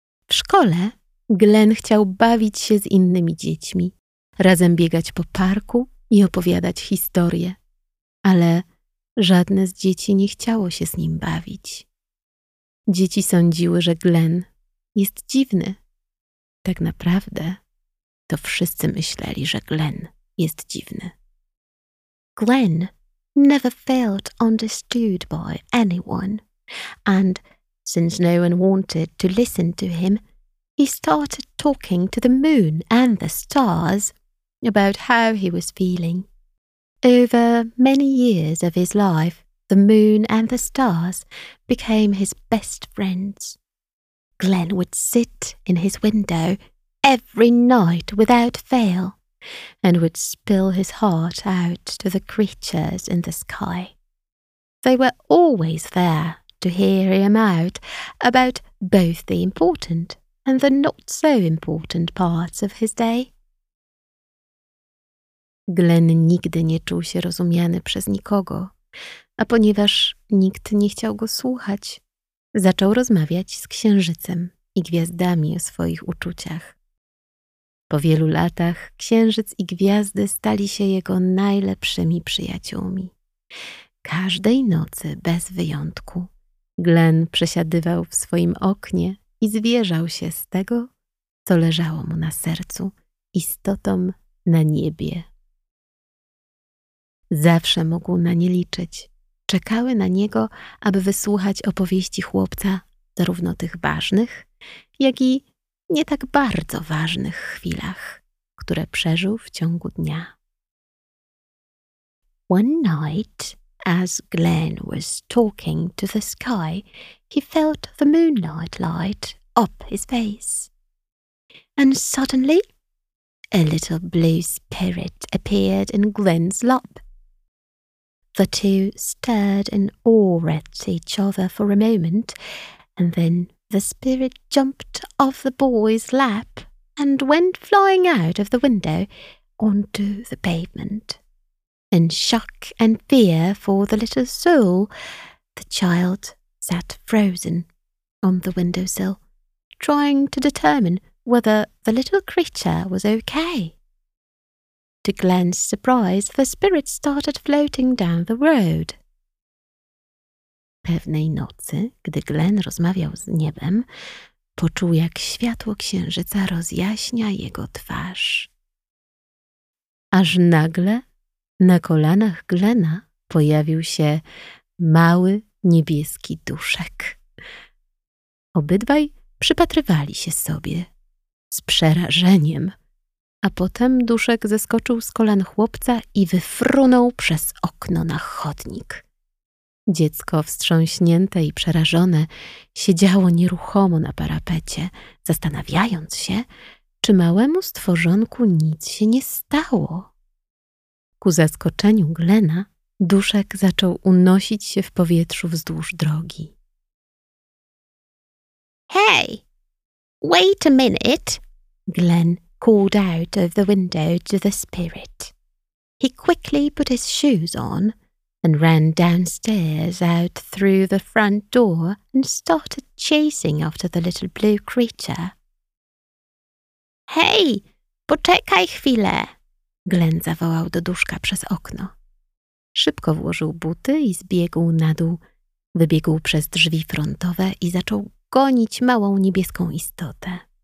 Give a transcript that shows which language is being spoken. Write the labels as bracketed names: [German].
[Polish] W szkole Glen chciał bawić się z innymi dziećmi, razem biegać po parku i opowiadać historie, ale żadne z dzieci nie chciało się z nim bawić. Dzieci sądziły, że Glen jest dziwny. Tak naprawdę to wszyscy myśleli, że Glen jest dziwny. [English] Glen never felt understood by anyone, and since no one wanted to listen to him, he started talking to the moon and the stars about how he was feeling. Over many years of his life, the moon and the stars became his best friends. Glen would sit in his window every night without fail, and would spill his heart out to the creatures in the sky. They were always there to hear him out about both the important and the not-so-important parts of his day. [Polish] Glen nigdy nie czuł się rozumiany przez nikogo, a ponieważ nikt nie chciał go słuchać, zaczął rozmawiać z księżycem i gwiazdami o swoich uczuciach. Po wielu latach księżyc i gwiazdy stali się jego najlepszymi przyjaciółmi. Każdej nocy, bez wyjątku, Glen przesiadywał w swoim oknie i zwierzał się z tego, co leżało mu na sercu, istotom na niebie. Zawsze mógł na nie liczyć. Czekały na niego, aby wysłuchać opowieści chłopca, zarówno tych ważnych, jak i nie tak bardzo ważnych chwilach, które przeżył w ciągu dnia. [English] One night, as Glen was talking to the sky, he felt the moonlight light up his face. And suddenly, a little blue spirit appeared in Glen's lap. The two stared in awe at each other for a moment, and then the spirit jumped off the boy's lap and went flying out of the window onto the pavement. In shock and fear for the little soul, the child sat frozen on the windowsill, trying to determine whether the little creature was okay. To Glen's surprise, the spirit started floating down the road. [Polish] Pewnej nocy, gdy Glen rozmawiał z niebem, poczuł, jak światło księżyca rozjaśnia jego twarz. Aż nagle na kolanach Glena pojawił się mały niebieski duszek. Obydwaj przypatrywali się sobie z przerażeniem, a potem duszek zeskoczył z kolan chłopca i wyfrunął przez okno na chodnik. Dziecko, wstrząśnięte i przerażone, siedziało nieruchomo na parapecie, zastanawiając się, czy małemu stworzonku nic się nie stało. Ku zaskoczeniu Glena, duszek zaczął unosić się w powietrzu wzdłuż drogi. [English] Hey, wait a minute, Glen called out of the window to the spirit. He quickly put his shoes on and ran downstairs out through the front door and started chasing after the little blue creature. [Polish] Hey, poczekaj chwilę, Glen zawołał do duszka przez okno. Szybko włożył buty i zbiegł na dół, wybiegł przez drzwi frontowe i zaczął gonić małą niebieską istotę.